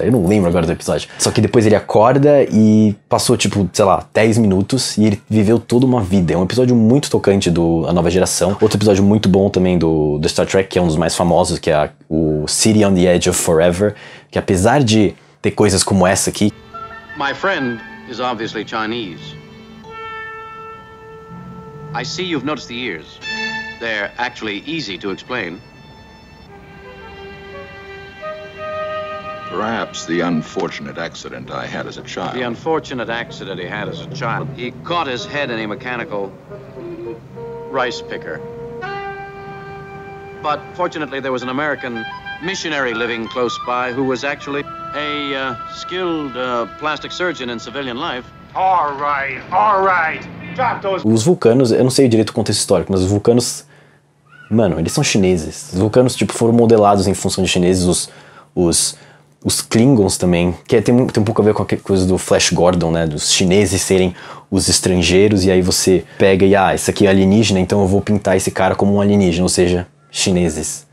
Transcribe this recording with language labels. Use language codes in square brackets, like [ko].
[pt] Eu não lembro agora do episódio. Só que depois ele acorda e passou tipo, sei lá, 10 minutos, e ele viveu toda uma vida. É um episódio muito tocante do A Nova Geração. Outro episódio muito bom também do Star Trek, que é um dos mais famosos, que é o City on the Edge of Forever, que apesar de ter coisas como essa aqui... [en] My friend is obviously Chinese. I see you've noticed the ears. They're actually easy to explain. Perhaps the unfortunate accident I had as a child. The unfortunate accident he had as a child. He caught his head in a mechanical rice picker. But fortunately, there was an American missionary living close by who was actually a skilled plastic surgeon in civilian life. All right, all right. [pt] Os vulcanos, eu não sei direito o contexto histórico, mas os vulcanos, mano, eles são chineses. Os vulcanos, tipo, foram modelados em função de chineses, os Klingons também, que é, tem um pouco a ver com aquela coisa do Flash Gordon, né, dos chineses serem os estrangeiros, e aí você pega e, ah, esse aqui é alienígena, então eu vou pintar esse cara como um alienígena, ou seja, chineses.